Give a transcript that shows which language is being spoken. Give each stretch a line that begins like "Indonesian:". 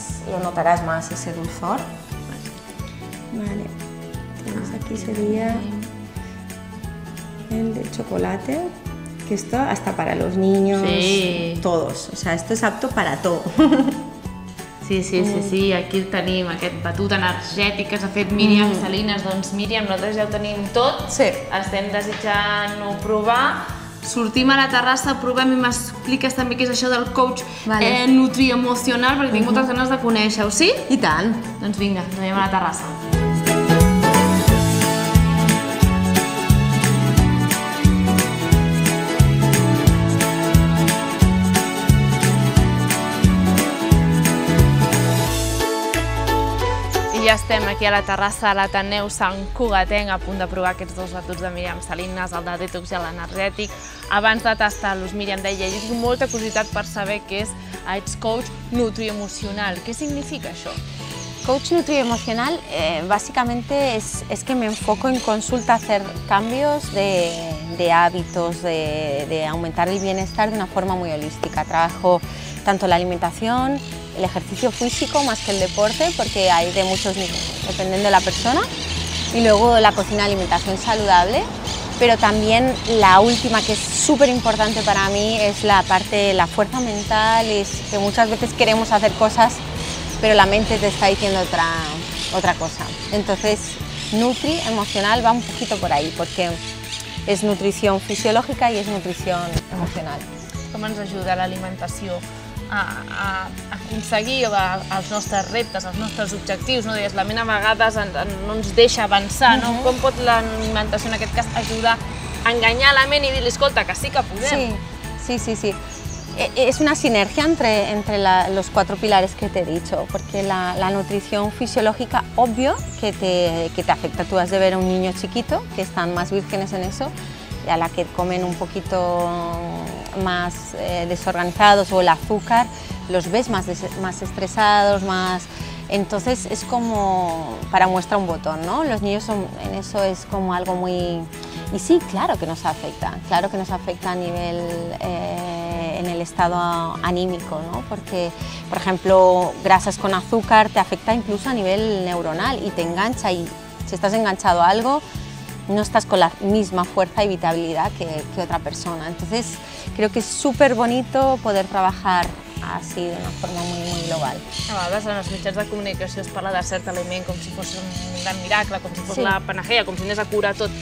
Spanish: Lo notarás más ese dulzor. Vale, entonces aquí sería el de chocolate. Que esto hasta para los niños, todos, o sea, esto es apto para todo.
Catalan: Sí, sí, sí, sí, aquí el tenim, aquest batut energètic que s'ha fet Míriam Salinas. Doncs Míriam, nosaltres ja ho tenim tot, estem desitjant-ho provar. Sortim a la terrassa, provem i m'expliques també què és això del coach nutrimocional, perquè tinc moltes ganes de conèixer-ho, sí? I tant. Doncs vinga, ens veiem a la terrassa. Ja estem aquí a la terrassa de l'Ateneu Sant Cugatenc, a punt de provar aquests dos batuts de Míriam Salinas, el de detox i l'energètic. Abans de tastar-los, Míriam deia, jo tinc molta curiositat per saber què és, ets coach nutrimocional. Què significa això?
Spanish: Coach nutrioemocional básicamente es que me enfoco en consulta a hacer cambios de hábitos, de aumentar el bienestar de una forma muy holística. Trabajo tanto la alimentación, el ejercicio físico más que el deporte, porque hay de muchos niveles, dependiendo de la persona, y luego la cocina, alimentación saludable, pero también la última, que es súper importante para mí, es la parte, la fuerza mental, y es que muchas veces queremos hacer cosas, pero la mente te está diciendo otra cosa. Entonces, nutri emocional va un poquito por ahí, porque es nutrición fisiológica y es nutrición emocional. ¿Cómo nos ayuda la alimentación a
Catalan: aconseguir els nostres reptes, els nostres objectius, no? Deies, la ment a vegades no ens deixa avançar, no? Com pot l'alimentació en aquest cas ajudar a enganyar la ment i dir-li, escolta, que sí que podem? Sí, sí, sí, sí.
Spanish: Es una sinergia entre los cuatro pilares que te he dicho, porque la nutrición fisiológica, obvio, que te afecta. Tú has de ver a un niño chiquito, que están más vírgenes en eso, y a la que comen un poquito más desorganizados, o el azúcar, los ves más estresados, más... Entonces es como para muestra un botón, ¿no? Los niños son, en eso es como algo muy... Y sí, claro que nos afecta a nivel... en el estado anímico, ¿no? Porque, por ejemplo, grasas con azúcar te afecta incluso a nivel neuronal y te engancha, y si estás enganchado a algo, no estás con la misma fuerza y vitalidad que otra persona. Entonces, creo que es súper bonito poder trabajar así de una forma muy, muy global.
Catalan: A vegades en els mitjans de comunicació es parla de cert aliment com si fos un gran miracle, com si fos sí. La panacea, com si anés a curar tot.